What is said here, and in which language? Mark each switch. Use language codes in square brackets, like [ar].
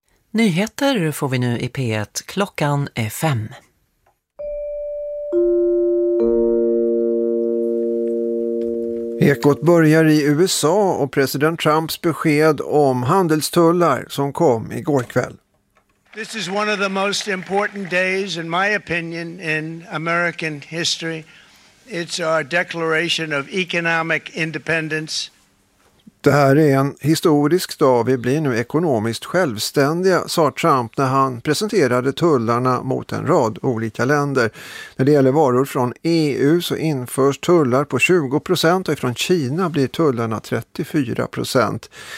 [sv] Nyheter får vi nu i P1, klockan är 5. Ekot börjar i USA och president Trumps besked om handelstullar som kom igår kväll. [en] This is one of the most important days in my opinion in American history. It's our declaration of economic independence. [sv] Det här är en historisk dag. Vi blir nu ekonomiskt självständiga, sa Trump när han presenterade tullarna mot en rad olika länder. När det gäller varor från EU så införs tullar på 20% och från Kina blir tullarna 34%.